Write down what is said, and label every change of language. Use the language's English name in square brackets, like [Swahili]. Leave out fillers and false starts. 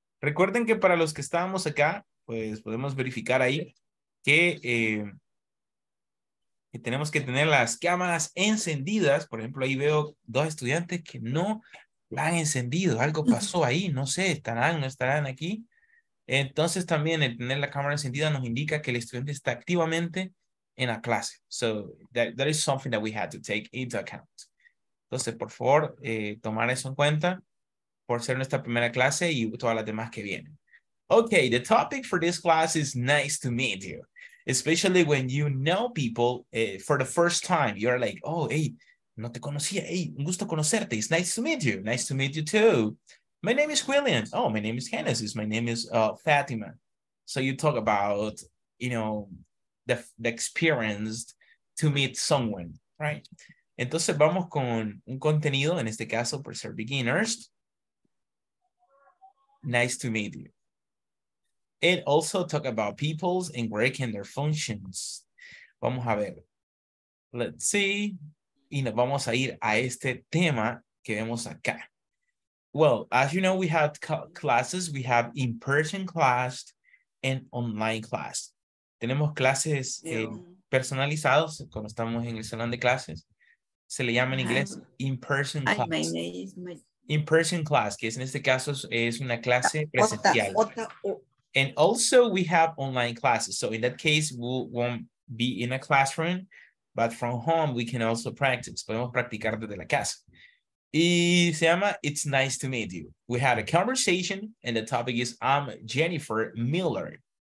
[Spanish] Recuerden que para los que estábamos acá, pues podemos verificar ahí que tenemos que tener las cámaras encendidas. Por ejemplo, ahí veo dos estudiantes que no la han encendido, algo pasó ahí, no sé, estarán, no estarán aquí. Entonces también el tener la cámara encendida nos indica que el estudiante está activamente en la clase. [English] So that is something that we had to take into account. [Spanish] Entonces, por favor, tomar eso en cuenta por ser nuestra primera clase y todas las demás que vienen. [English] Okay, the topic for this class is nice to meet you. Especially when you know people for the first time. You're like, oh, hey, [Spanish] no te conocía. [English] Hey, [Spanish] un gusto conocerte. [English] It's nice to meet you. Nice to meet you too. My name is William. Oh, my name is Genesis. My name is Fatima. So you talk about, you know, the experience to meet someone, right? [Spanish] Entonces vamos con un contenido, en este caso, for ser beginners. [English] Nice to meet you. It also talk about peoples and working their functions. [Spanish] Vamos a ver. [English] Let's see. [Spanish] Y nos vamos a ir a este tema que vemos acá. [English] Well, as you know, we have classes. We have in-person class and online class. [Spanish] Tenemos clases personalizados cuando estamos en el salón de clases. Se le llama en inglés in-person class. In-person class, que es, en este caso es una clase presencial. [English] And also we have online classes. So in that case, we won't be in a classroom, but from home we can also practice. [Spanish] Podemos practicar desde la casa. Y se llama [English] It's Nice to Meet You. We had a conversation and the topic is I'm Jennifer Miller.